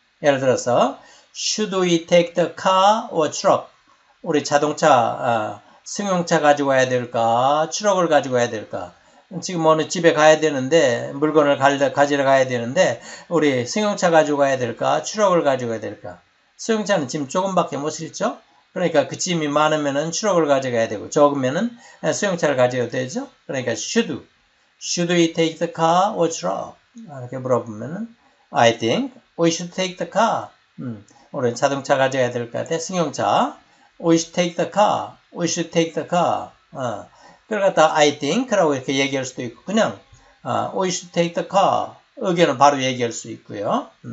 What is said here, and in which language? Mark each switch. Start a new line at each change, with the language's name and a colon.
Korean: 예를 들어서
English: should we take the car or truck?
Korean: 우리 자동차 승용차 가지고 와야 될까? 트럭을 가지고 와야 될까? 지금 어느 집에 가야 되는데 물건을 가지러 가야 되는데 우리 승용차 가지고 가야 될까? 트럭을 가지고 가야 될까? 승용차는 짐 조금밖에 못 싣죠? 그러니까 그 짐이 많으면은 트럭을 가져가야 되고 적으면은 승용차를 가져도 되죠? 그러니까
English: should we take the car or truck?
Korean: 이렇게 물어보면은
English: I think we should take the car.
Korean: 우리 자동차 가져가야 될 것 같아.
English: 승용차. We should take the car. We should take the car.
Korean: 그걸 갖다가 I think라고 이렇게 얘기할 수도 있고 그냥
English: we should take the car
Korean: 의견을 바로 얘기할 수 있고요.